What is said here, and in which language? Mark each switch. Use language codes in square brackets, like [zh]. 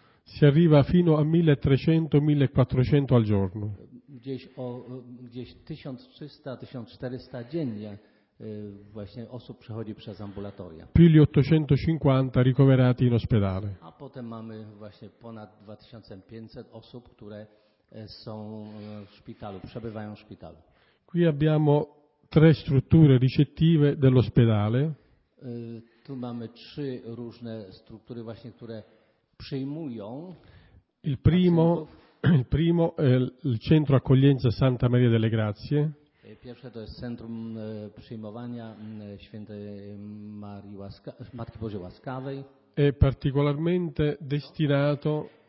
[it] Si arriva fino a 1300-1400 al giorno. [pl] Gdzieś 1300-1400 dziennie właśnie osób przechodzi przez ambulatoria. [it] Più di 850 ricoverati in ospedale. [pl] A potem mamy właśnie ponad 2500 osób, które są w szpitalu, przebywają w szpitalu. [it] Qui abbiamo tre strutture ricettive dell'ospedale. [pl] Tu mamy trzy różne struktury właśnie, które przyjmują. [it] Il primo è il centro accoglienza Santa Maria delle Grazie. [pl] Pierwsze to jest centrum przyjmowania Świętej Marii Matki Bożej Łaskawej. [it] È particolarmente destinato